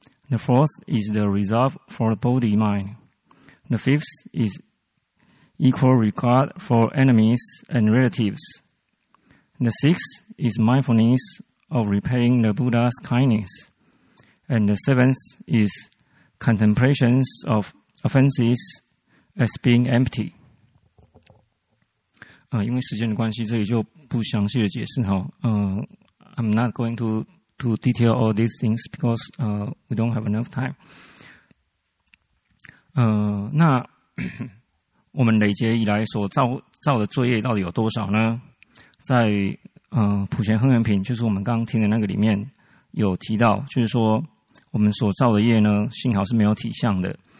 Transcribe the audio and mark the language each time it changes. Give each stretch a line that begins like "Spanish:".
English: The fourth is the resolve for the body mind. The fifth is equal regard for enemies and relatives. The sixth is mindfulness of repaying the Buddha's kindness. And the seventh is contemplations of offenses as being empty.
Chinese: 因为时间的关系，这里就不详细的解释哈。
English: I'm not going to detail all these things because we don't have enough time.
Chinese: 那我们累劫以来所造的罪业到底有多少呢？在普贤亨元品，就是我们刚刚听的那个里面有提到，就是说我们所造的业呢，幸好是没有体相的。